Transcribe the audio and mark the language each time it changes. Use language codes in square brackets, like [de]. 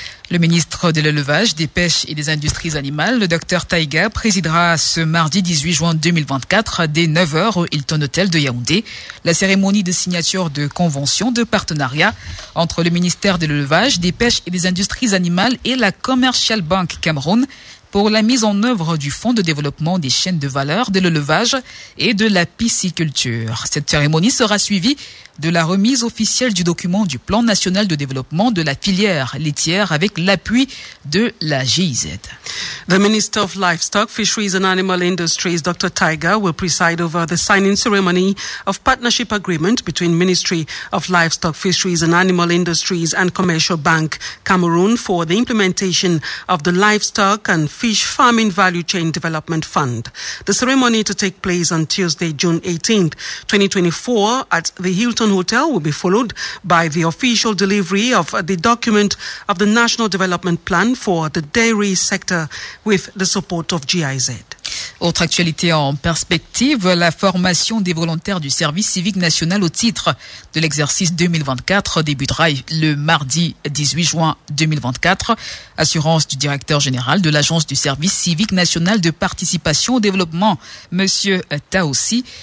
[fr] Le ministre de l'Élevage, des Pêches et des Industries Animales, le docteur Taïga, présidera ce mardi 18 juin 2024 dès 9h au Hilton Hotel de Yaoundé la cérémonie de signature de convention de partenariat entre le ministère de l'Élevage, des Pêches et des Industries Animales et la Commercial Bank Cameroun pour la mise en œuvre du Fonds de développement des chaînes de valeur de l'élevage et de la pisciculture. Cette cérémonie sera suivie de la remise officielle du document du plan national de développement de la filière laitière avec l'appui de la GIZ. [en] The Minister of Livestock, Fisheries and Animal Industries, Dr. Taiga, will preside over the signing ceremony of partnership agreement between Ministry of Livestock, Fisheries and Animal Industries and Commercial Bank Cameroon for the implementation of the Livestock and Fish Farming Value Chain Development Fund. The ceremony to take place on Tuesday, June 18th, 2024 at the Hilton Hilton Hotel will be followed by the official delivery of the document of the National Development Plan for the dairy sector with the support of GIZ. [fr] Autre actualité en perspective, la formation des volontaires du service civique national au titre de l'exercice 2024 débutera le mardi 18 juin 2024. Assurance du directeur général de l'Agence du service civique national de participation au développement, Monsieur Taoussi.